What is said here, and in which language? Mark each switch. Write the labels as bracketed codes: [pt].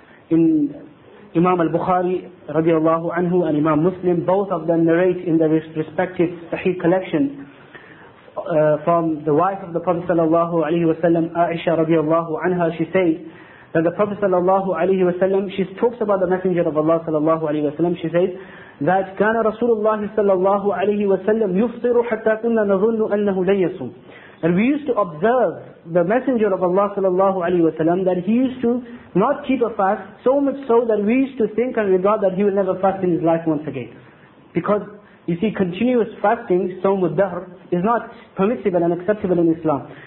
[en] In Imam al-Bukhari radiallahu anhu and Imam Muslim, both of them narrate in their respective sahih collection from the wife of the Prophet sallallahu alaihi wasallam, Aisha radiallahu anha. She says that the Prophet sallallahu alaihi wasallam, she talks about the Messenger of Allah sallallahu alaihi wasallam. She says that [ar] كان رسول الله صلى الله عليه وسلم يفطر حتى كنا نظن أنه لن يصوم. [en] And we used to observe the Messenger of Allah sallallahu alaihi wasallam that he used to not keep a fast, so much so that we used to think and regard that he will never fast in his life once again, because you see, continuous fasting, [ar] صوم الدهر, [en] is not permissible and acceptable in Islam.